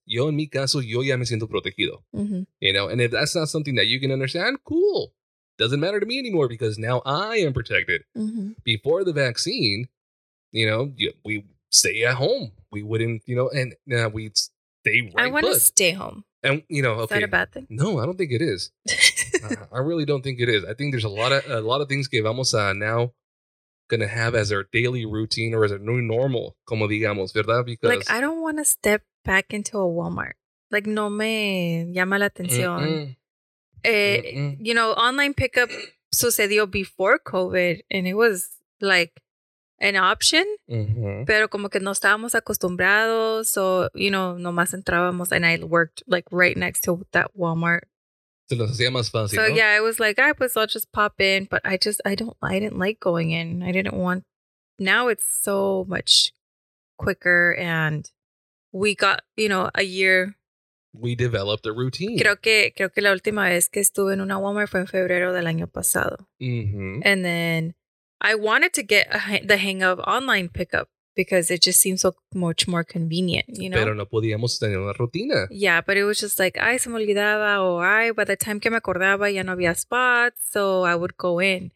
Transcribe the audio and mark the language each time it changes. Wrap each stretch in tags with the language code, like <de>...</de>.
<es>Yo en mi caso, yo ya me siento protegido. Mm-hmm.</es> <en>You know, and if that's not something that you can understand, cool. Doesn't matter to me anymore because now I am protected. Mm-hmm. Before the vaccine, you know, we stay at home. We wouldn't, you know, and now we'd stay right. I want to stay home. And, you know, okay. Is that a bad thing? No, I don't think it is. I really don't think it is. I think there's a lot of things</en> <es>que vamos a</es> <en>now going to have as our daily routine or as our new normal,</en> <es>como digamos, ¿verdad?</es> <en>Because like, I don't want to step back into a Walmart. Like,</en> <es>no me llama la atención.</es> <en>Mm-hmm. You know, online pickup</en> <es>sucedió</es> <en>before COVID and it was like an option,</en> <es>pero como que no estábamos acostumbrados.</es> <en>So, you know,</en> <es>nomás entrábamos</es> <en>and I worked like right next to that Walmart.</en> <es>Se los hacía más fácil,</es> <en>so,</en> <es>¿no?</es> <en>Yeah, I was like, ah,</en> <es>pues</es> <en>I'll just pop in. But I didn't like going in. I didn't want, now it's so much quicker and we got, you know, a year. We developed a routine.</en> <es>Creo que la última vez que estuve en una Walmart fue en febrero del año pasado.</es> <en>And then I wanted to get the hang of online pickup because it just seems so much more convenient, you know?</en> <es>Pero no podíamos tener una rutina.</es> <en>Yeah, but it was just like,</en> <es>ay, se me olvidaba, o ay,</es> <en>by the time</en> <es>que me acordaba, ya no había</es> <en>spots, so I would go in.</en>